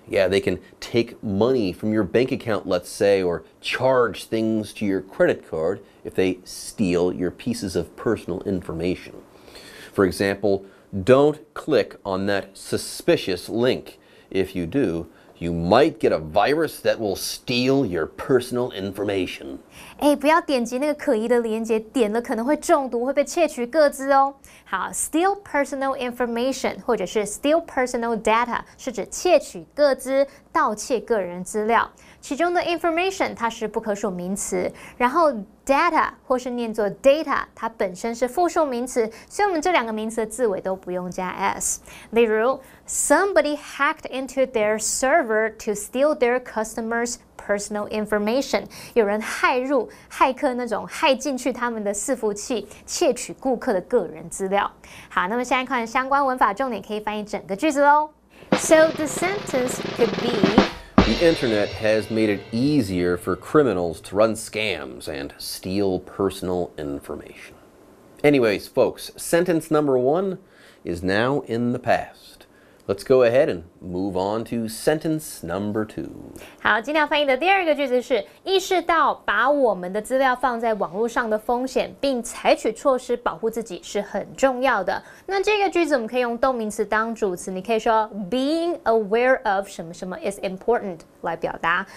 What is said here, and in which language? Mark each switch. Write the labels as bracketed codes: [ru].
[en] Yeah, they can take money from your bank account, let's say, or charge things to your credit card. If they steal your pieces of personal information. For example, don't click on that suspicious link. If you do, you might get a virus that will steal your personal information. [zh] 哎，不要点击那个可疑的链接，点了可能会中毒，会被窃取个资哦。好， [en] steal personal information [zh] 或者是 [en] steal personal data [zh] 是指窃取个资，盗窃个人资料。其中的 information 它是不可数名词，然后 data 或是念作 data 它本身是复数名词，所以我们这两个名词的字尾都不用加 s。例如 [en] ，somebody hacked into their server to steal their customers' personal information。 [zh] 有人骇入，骇客那种骇进去他们的伺服器，窃取顾客的个人资料。好，那么现在看相关文法重点，可以翻译整个句子喽。 [en] So the sentence could be. The internet has made it easier for criminals to run scams and steal personal information. Anyways, folks, sentence number one is now in the past. Let's go ahead and move on to sentence number two. [zh] 好，今天要翻译的第二个句子是意识到把我们的资料放在网络上的风险，并采取措施保护自己是很重要的。那这个句子我们可以用动名词当主词，你可以说 [en] being aware of [zh] 什么什么 [en] is important [zh] 来表达。